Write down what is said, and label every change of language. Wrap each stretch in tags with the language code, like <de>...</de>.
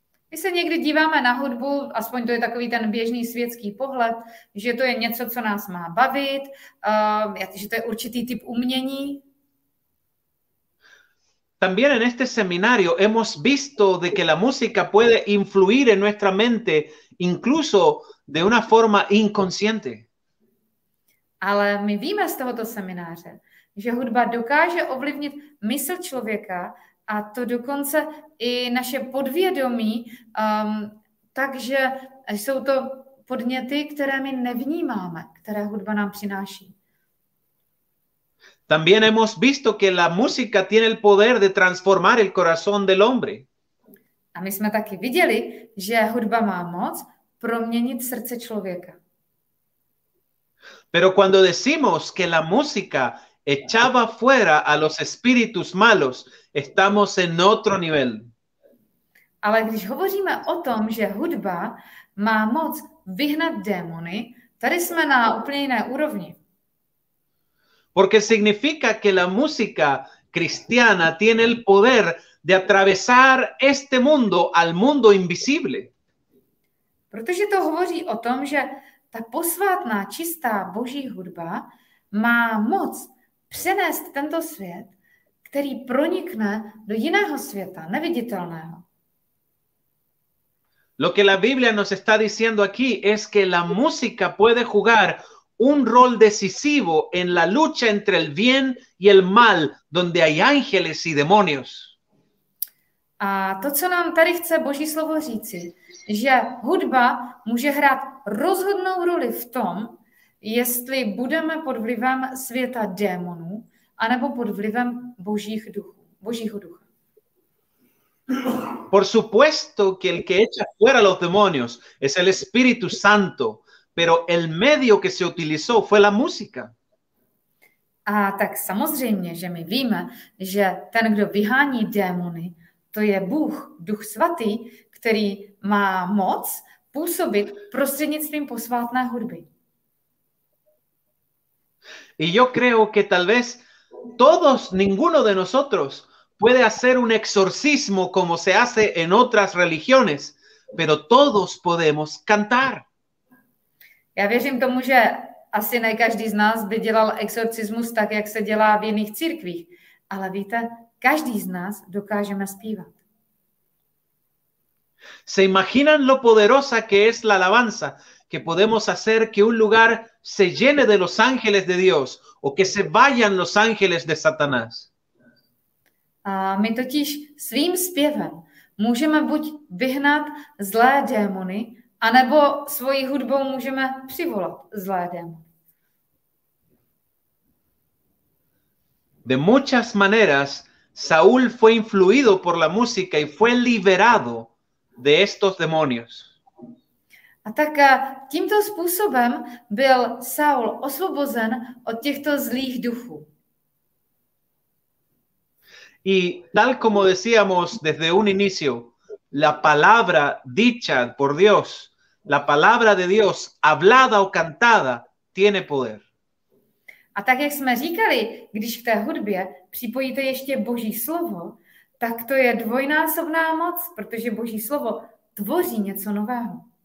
<cs>My se někdy díváme na hudbu, aspoň to je takový ten běžný světský pohled, že to je něco, co nás má bavit, že to je určitý typ umění.</cs> <es>También en este seminario hemos visto de que la música puede influir en nuestra mente incluso de una forma inconsciente.</es> <cs>Ale my víme z tohoto semináře, že hudba dokáže ovlivnit mysl člověka a to dokonce i naše podvědomí, takže jsou to podněty, které my nevnímáme, které hudba nám přináší.</cs> <es>También hemos visto que la música tiene el poder de transformar el corazón del hombre.</es> <cs>A my jsme taky viděli, že hudba má moc proměnit srdce člověka.</cs> <es>Pero cuando decimos que la música echaba fuera a los espíritus malos, estamos en otro nivel.</es> <cs>Ale když hovoříme o tom, že hudba má moc vyhnat démony, tady jsme na úplně jiné úrovni.</cs> <es>Porque significa que la música cristiana tiene el poder de atravesar este mundo al mundo invisible.</es> <cs>Protože to hovoří o tom, že ta posvátná, čistá boží hudba má moc přenést tento svět, který pronikne do jiného světa, neviditelného.</cs> <es>Lo que la Biblia nos está diciendo aquí es que la música puede jugar un rol decisivo en la lucha entre el bien y el mal, donde hay ángeles y demonios.</es> <cs>A to, co nám tady chce Boží slovo říci, že hudba může hrát rozhodnou roli v tom, jestli budeme pod vlivem světa démonů, anebo pod vlivem božích duchů, božího ducha.</cs> <es>Por supuesto que el que echa fuera los demonios es el Espíritu Santo, pero el medio que se utilizó fue la música.</es> <cs>A tak samozřejmě, že my víme, že ten, kdo vyhání démony, to je Bůh, Duch Svatý, který má moc působit prostřednictvím posvátné hudby.</cs> <es>Y yo creo que tal vez todos, ninguno de nosotros puede hacer un exorcismo como se hace en otras religiones, pero todos podemos cantar.</es> <cs>Já věřím tomu, že asi ne každý z nás by dělal exorcismus tak, jak se dělá v jiných církvích, ale víte, každý z nás dokážeme zpívat.</cs> <es>Se imaginan lo poderosa que es la alabanza, que podemos hacer que un lugar se llene de los ángeles de Dios o que se vayan los ángeles de Satanás.</es> <cs>A my totiž svým zpěvem můžeme buď vyhnat zlé démony, anebo svojí hudbou můžeme přivolat zlé démony.</cs> <es>De muchas maneras Saúl fue influido por la música y fue liberado de estos demonios.</es> <cs>A tak tímto způsobem byl Saul osvobozen od těchto zlých duchů.</cs> <es>Y tal como decíamos desde un inicio, la palabra dicha por Dios, la palabra de Dios hablada o cantada tiene poder.</es> <cs>A tak, jak jsme říkali, když k té hudbě připojíte ještě Boží slovo, tak to je dvojnásobná moc, protože Boží slovo tvoří něco nového.</cs>